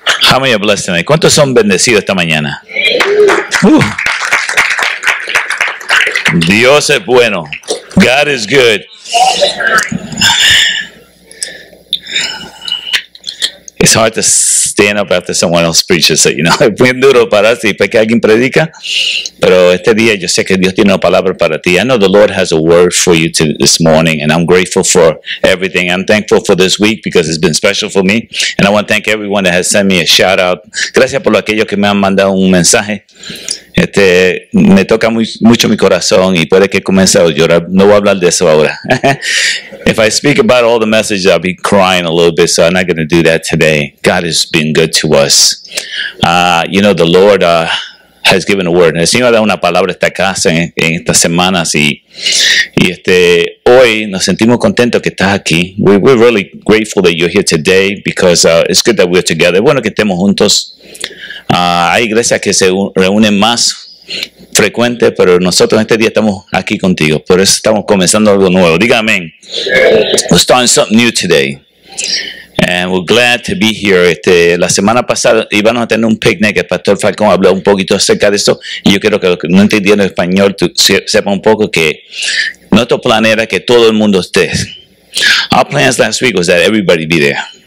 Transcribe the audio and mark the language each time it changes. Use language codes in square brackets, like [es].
[en] How many are blessed tonight? [es] ¿Cuántos son bendecidos esta mañana? Dios es bueno. [en] God is good. It's hard to stand up after someone else preaches it, you know. [es] Es bien duro pararse después que alguien predica. Pero este día yo sé que Dios tiene una palabra para ti. [en] I know the Lord has a word for you this morning, and I'm grateful for everything. I'm thankful for this week because it's been special for me. And I want to thank everyone that has sent me a shout out. [es] Gracias por aquellos que me han mandado un mensaje. Me toca mucho mi corazón y puede que comience a llorar. No voy a hablar de eso ahora. [en] If I speak about all the messages, I'll be crying a little bit, so I'm not going to do that today. God has been good to us. You know, the Lord has given a word. [es] El Señor ha dado una palabra a esta casa en estas semanas, y hoy nos sentimos contentos que estás aquí. [en] We're really grateful that you're here today, because it's good that we're together. [es] Bueno que estemos juntos. Hay iglesias que se reúnen más frecuente, pero nosotros este día estamos aquí contigo. Por eso estamos comenzando algo nuevo. Dígame. [en] We're starting something new today. And we're glad to be here. [es] La semana pasada íbamos a tener un picnic. El pastor Falcón habló un poquito acerca de eso. Y yo quiero que los que no entendieron español sepan un poco que nuestro plan era que todo el mundo esté. [en] Our plans last week was that everybody be there.